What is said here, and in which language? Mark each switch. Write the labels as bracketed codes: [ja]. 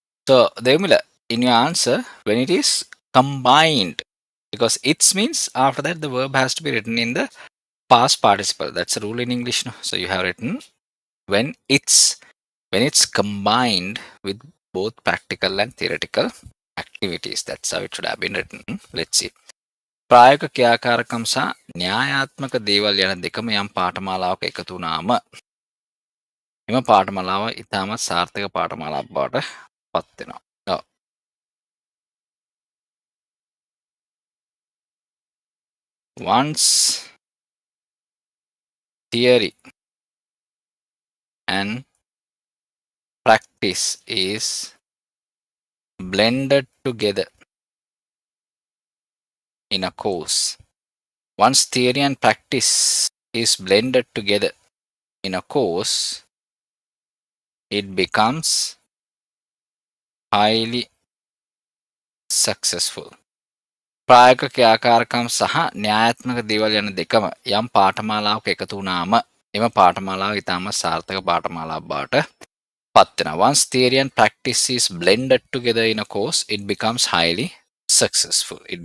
[en] So, Devmila, in your answer, when it is combined, because it's means after that the verb has to be written in the past participle. That's a rule in English. No? So you have written when it's combined with both practical and theoretical activities. That's how it should have been written. Let's see. [si] ප්‍රායෝගික ක්‍රියාකාරකම් සහ න්‍යායාත්මක දේවල් යන දෙකම යම් පාඨමාලාවක එකතු වුණාම එම පාඨමාලාව ඉතාමත් සාර්ථක පාඨමාලාවක් බවට පත් වෙනවා. [en] Once theory and practice is blended together, in a course. Once theory and practice is blended together in a course, it becomes highly successful. [si] ප්‍රායෝගික ක්‍රියාකාරකම් සහ න්‍යායාත්මක දේවල් යන දෙකම යම් පාඨමාලාවක එකතු වුණාම එම පාඨමාලාව ඉතාම සාර්ථක පාඨමාලාවක් බවට පත් වෙනවා. [en] Once theory and practice is blended together in a course, it becomes highly successful.